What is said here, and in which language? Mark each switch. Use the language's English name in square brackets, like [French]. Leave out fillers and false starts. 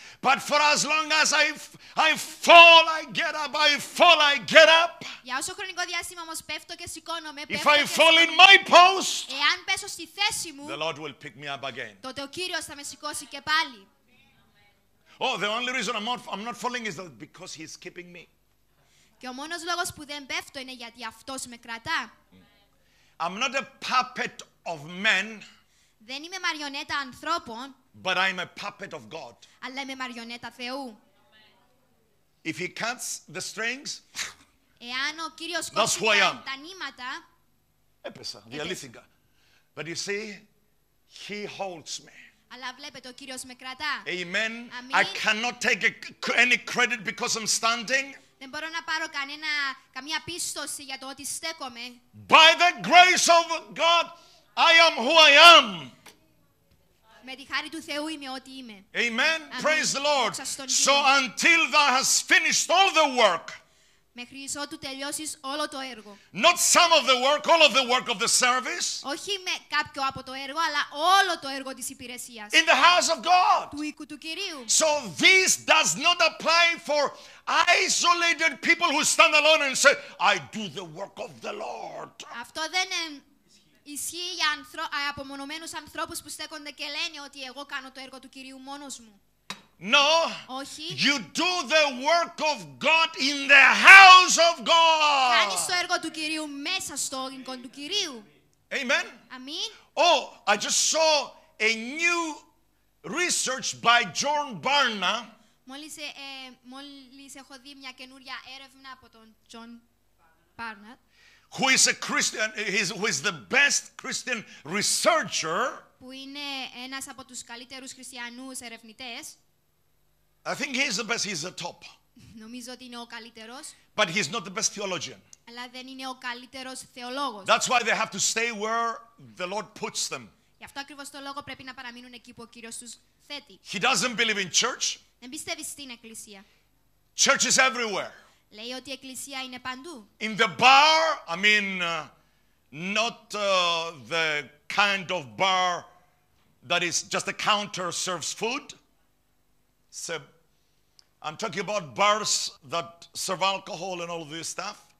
[English] But for as long as I fall, I get up. I fall, I get up. [Greek] Για όσο χρονικό διάστημα όμως πέφτω και σηκώνομαι. [English] If I fall in my post, [Greek] εάν πέσω στη θέση μου, [English] the Lord will pick me up again. [Greek] Τότε ο Κύριος θα με σηκώσει και πάλι. [English] Oh, the only reason I'm not falling is that because He's keeping me. [Greek] Και ο μόνος λόγος που δεν πέφτω είναι γιατί Αυτός με κρατά. [English] I'm not a puppet of men. [Greek] Δεν είμαι μαριονέτα ανθρώπων. [English] But I'm a puppet of God. [Greek] Αλλά είμαι μαριονέτα Θεού. [English] If He cuts the strings, [Greek] εάν ο Κύριος κόψει τα νήματα, έπεσα, διαλύθηκα. [English] But you see, He holds me. [Greek] Αλλά βλέπετε, ο Κύριος με κρατά. [English] Amen. I cannot take any credit because I'm standing. [Greek] Δεν μπορώ να πάρω καμία πίστοση για το ότι στέκομαι. [English] By the grace of God, I am who I am. [Greek] Με τη χάρη του Θεού είμαι ό,τι είμαι. [English] Amen. Praise the Lord. So until thou hast finished all the work. [Greek] Μέχρι ότου τελειώσεις όλο το έργο. [English] Not some of the work, all of the work of the service. [Greek] Όχι με κάποιο από το έργο, αλλά όλο το έργο της υπηρεσίας. [English] In the house of God. [Greek] Του οίκου του Κυρίου. [English] So this does not apply for isolated people who stand alone and say, I do the work of the Lord. [Greek] Αυτό δεν ισχύει για απομονωμένους ανθρώπους που στέκονται και λένε ότι εγώ κάνω το έργο του Κυρίου μόνος μου. [English] No. [Greek] Όχι. [English] You do the work of God in the house of God. [Greek] Κάνεις το έργο του Κυρίου μέσα στο οίκο του Κυρίου. [English] Amen. [Greek] Αμήν. [English] Oh, I just saw a new research by John Barna. [Greek] Μόλις έχω δει μια καινούρια έρευνα από τον John Barna. [English] Who is a Christian? Who is the best Christian researcher? [Greek] Που είναι ένας από τους καλύτερους χριστιανούς ερευνητές. [English] I think he's the best. He's the top. [Greek] Νομίζω ότι είναι ο καλύτερος. [English] But he's not the best theologian. [Greek] Αλλά δεν είναι ο καλύτερος θεολόγος. [English] That's why they have to stay where the Lord puts them. [Greek] Γι' αυτό ακριβώς το λόγο πρέπει να παραμείνουν εκεί που ο Κύριος τους θέτει. [English] He doesn't believe in church. [Greek] Δεν πιστεύει στην εκκλησία. [English] Church is everywhere. [Greek] Λέει ότι η εκκλησία είναι παντού. [English] In the bar, I mean, not the kind of bar that is just a counter serves food. So, I'm talking about bars that serve alcohol and all of this stuff.